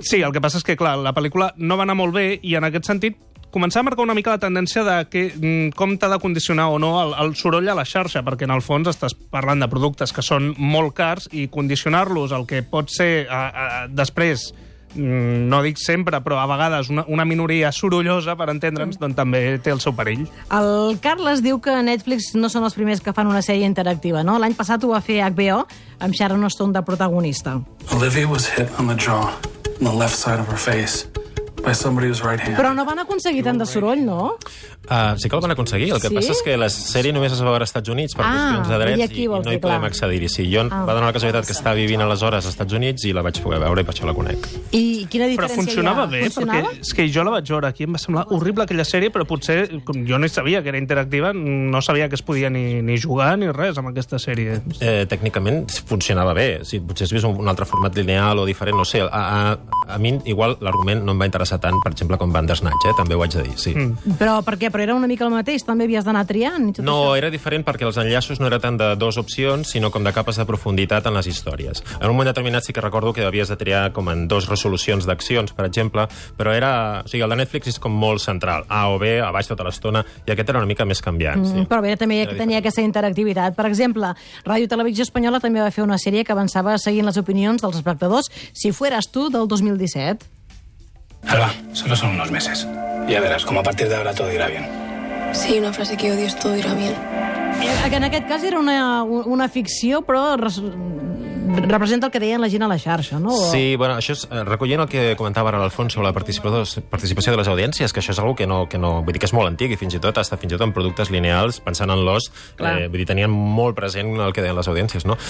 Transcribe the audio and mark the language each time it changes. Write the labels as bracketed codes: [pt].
[ca] Sí, el que passa és que, clar, la pel·lícula no va anar molt bé i en aquest sentit començar a marcar una mica la tendència de que, com t'ha de condicionar o no el soroll a la xarxa, perquè en el fons estàs parlant de productes que són molt cars i condicionar-los el que pot ser després, no dic sempre, però a vegades una minoria sorollosa, per entendre'ns, doncs també té el seu perill. El Carles diu que Netflix no són els primers que fan una sèrie interactiva, no? L'any passat ho va fer HBO amb Sharon Stone de protagonista. [en] Olivia was hit on the jaw, on the left side of her face. [ca] Però no van aconseguir tant de soroll, no? Sí que el van aconseguir. El que passa és que la sèrie només es va veure als Estats Units per qüestions de drets i no hi podem accedir-hi. Sí, jo va donar la casualitat que estava vivint aleshores als Estats Units i la vaig poder veure i per això la conec. I quina diferència hi ha? Però funcionava bé, perquè és que jo la vaig veure aquí, em va semblar horrible aquella sèrie, però potser jo no hi sabia que era interactiva, no sabia que es podia ni jugar ni res amb aquesta sèrie. Tècnicament funcionava bé. Sí, potser si hi hagués un altre format lineal o diferent, no sé. A mi, igual, l'argument no em va interessar tant, per exemple, com Bandersnatch, també ho haig de dir, sí. Però per què? Però era una mica el mateix, també havies d'anar triant? No, era diferent perquè els enllaços no eren tant de dues opcions, sinó com de capes de profunditat en les històries. En un moment determinat sí que recordo que havies de triar com en dues resolucions d'accions, per exemple, però era... O sigui, el de Netflix és com molt central, A o B, a baix tota l'estona, i aquest era una mica més canviant, sí. Però bé, també tenia aquesta interactivitat. Per exemple, Ràdio Televisió Espanyola també va fer una sèrie que avançava seguint les opinions dels espectadors, Si fueras tú, del 2017. [es] Alba, solo son unos meses. Ya verás, como a partir de ahora todo irá bien. Sí, una frase que odio es todo irá bien. [ca] En aquest cas era una ficció, però representa el que deien la gent a la xarxa, no? Sí, bueno, això és recollint el que comentava ara l'Alfons sobre la participació de les audiències, que això és algo que no, vull dir que és molt antic i fins i tot en productes lineals, pensant en l'os, vull dir, tenien molt present el que deien les audiències, no?